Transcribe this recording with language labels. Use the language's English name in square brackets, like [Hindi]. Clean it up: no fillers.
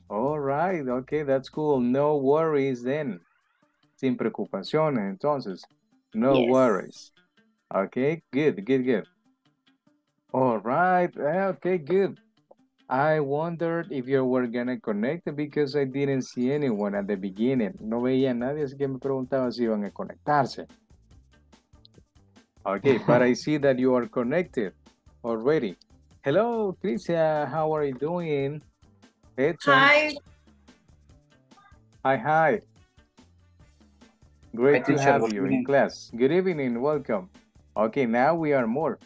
[English] All right. Okay. That's cool. No worries then. [Spanish] Sin preocupaciones. Entonces, no [English] Yes. worries. Okay. Good. All right. Okay. Good. I wondered if you were gonna connect because I didn't see anyone at the beginning. [Spanish] No veía a nadie, así que me preguntaba si iban a conectarse. [English] Okay, but I see that you are connected already. Hello, Tricia, how are you doing? Edson. Hi. Hi, hi. Hi, Great to teacher. have you in class. Good evening, welcome. Okay, now we are more.